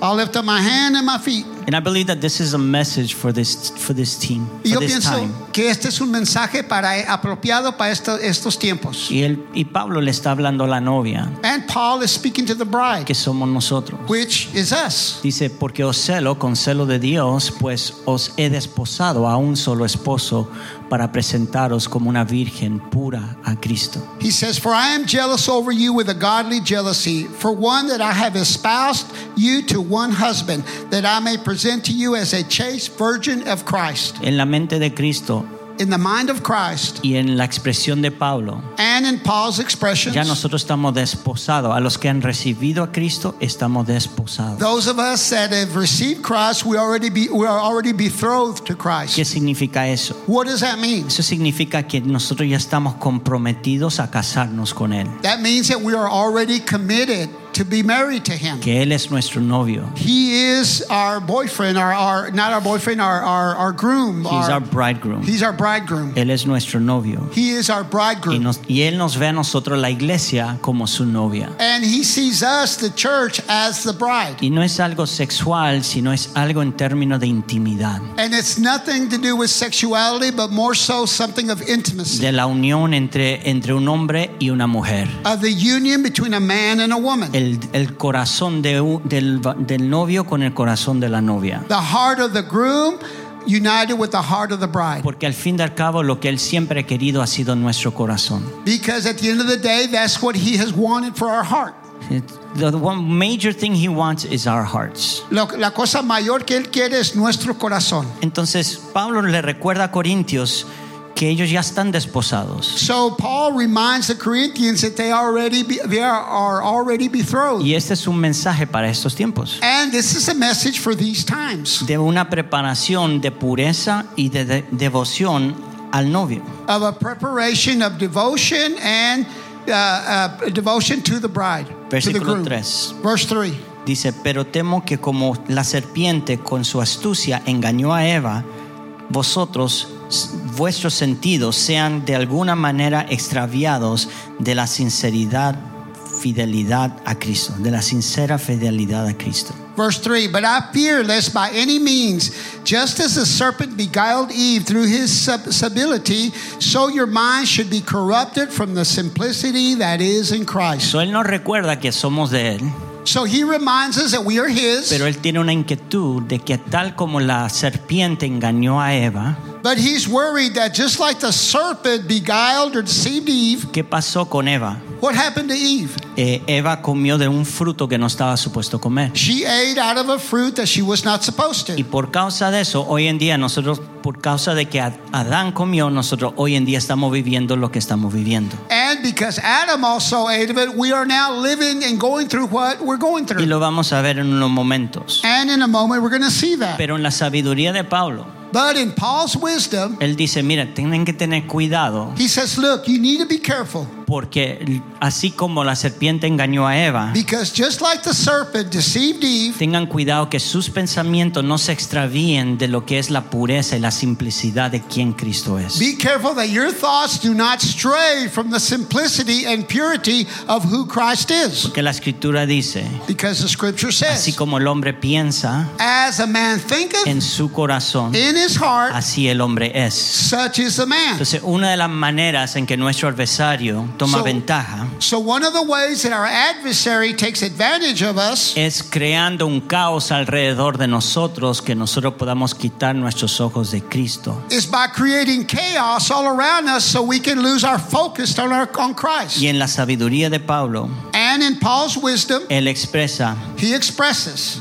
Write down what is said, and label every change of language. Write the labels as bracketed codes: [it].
[en] I'll lift up my hand and my feet. And I believe that this is a message for this team, [es] y [en] for this [es] pienso [en] time. [es] Que este es un mensaje apropiado para estos tiempos. Y Pablo le está hablando a la novia. [en] And Paul is speaking to the bride. [es] Que somos nosotros. [en] Which is us. [es] Dice, porque os celo con celo de Dios, pues os he desposado a un solo esposo para presentaros como una virgen pura a Cristo. [en] He says, for I am jealous over you with a godly jealousy, for one that I have espoused you to one husband, that I may present to you as a chaste virgin of Christ. [es] En la mente de Cristo, [en] in the mind of Christ, [es] y en la expresión de Pablo, [en] and in Paul's expressions, [es] ya nosotros estamos desposados. A los que han recibido a Cristo, estamos desposados. [en] Those of us that have received Christ, we are already betrothed to Christ. [es] ¿Qué significa eso? [en] What does that mean? [es] Eso significa que nosotros ya estamos comprometidos a casarnos con él. [en] That means that we are already committed to be married to him. [es] Que él es nuestro novio. [en] He is our boyfriend, our groom. He's our bridegroom. He's our bridegroom. [es] Él es nuestro novio. [en] He is our bridegroom. [es] Y él nos ve a nosotros, la iglesia, como su novia. [en] And he sees us, the church, as the bride. [es] Y no es algo sexual, sino es algo en términos de intimidad. [en] And it's nothing to do with sexuality, but more so something of intimacy. [es] De la unión entre un hombre y una mujer. [en] Of the union between a man and a woman. [es] El corazón del novio con el corazón de la novia. [en] The heart of the groom united with the heart of the bride. [es] Porque al fin y al cabo lo que él siempre ha querido ha sido nuestro corazón. [en] Because at the end of the day, that's what he has wanted for our heart. The one major thing he wants is our hearts. [es] La cosa mayor que él quiere es nuestro corazón. Entonces Pablo le recuerda a Corintios que ellos ya están desposados. [en] So Paul reminds the Corinthians that they are already betrothed. [es] Y este es un mensaje para estos tiempos. [en] And this is a message for these times. [es] De una preparación de pureza y de devoción al novio. [en] Of a preparation of devotion and devotion to the bride. [es] Versículo 3. Dice, pero temo que como la serpiente con su astucia engañó a Eva, vosotros vuestros sentidos sean de alguna manera extraviados de la sinceridad fidelidad a Cristo, de la sincera fidelidad a Cristo. [en] Verse 3, but I fear lest by any means, just as the serpent beguiled Eve through his subtlety, so your mind should be corrupted from the simplicity that is in Christ. [es] So él nos recuerda que somos de él. [en] So he reminds us that we are his. [es] Pero él tiene una inquietud de que tal como la serpiente engañó a Eva. [en] But he's worried that just like the serpent beguiled or deceived Eve. [es] ¿Qué pasó con Eva? [en] What happened to Eve? [es] Eva comió de un fruto que no estaba supuesto comer. [en] She ate out of a fruit that she was not supposed to. [es] Y por causa de eso, hoy en día nosotros, por causa de que Adán comió, nosotros hoy en día estamos viviendo lo que estamos viviendo. [en] And because Adam also ate of it, we are now living and going through what we're going through. [es] Y lo vamos a ver en unos momentos. [en] And in a moment we're going to see that. [es] Pero en la sabiduría de Pablo. [en] But in Paul's wisdom, [es] él dice, mira, tienen que tener cuidado. [en] He says, look, you need to be careful. [es] Porque así como la serpiente engañó a Eva, [en] because just like the serpent deceived Eve, [es] tengan cuidado que sus pensamientos no se extravíen de lo que es la pureza y la simplicidad de quien Cristo es. [en] Be careful that your thoughts do not stray from the simplicity and purity of who Christ is. [es] Porque la escritura dice, [en] because the scripture says, [es] así como el hombre piensa, [en] as a man thinketh, [es] en su corazón, [en] in his heart, [es] así el hombre es. [en] Such is the man. [es] Entonces, una de las maneras en que nuestro adversario toma ventaja. [en] So one of the ways that our adversary takes advantage of us [es] es creando un caos alrededor de nosotros que nosotros podamos quitar nuestros ojos de Cristo. [en] Is by creating chaos all around us so we can lose our focus on Christ. [es] Y en la sabiduría de Pablo, [en] and in Paul's wisdom, [es] él expresa, [en] he expresses,